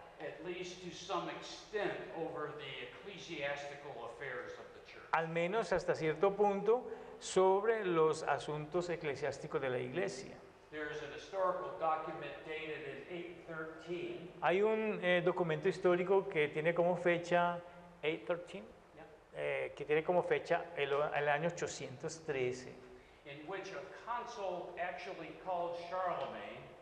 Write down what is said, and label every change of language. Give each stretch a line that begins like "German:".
English: At least to some extent over the ecclesiastical affairs of the church.
Spanish: Al menos hasta cierto punto sobre los asuntos eclesiásticos de la iglesia.
English: There is an historical document dated in 813.
Spanish: Hay un documento histórico que tiene como fecha 813. Que tiene como fecha el año 813.
English: In which a consul actually called Charlemagne.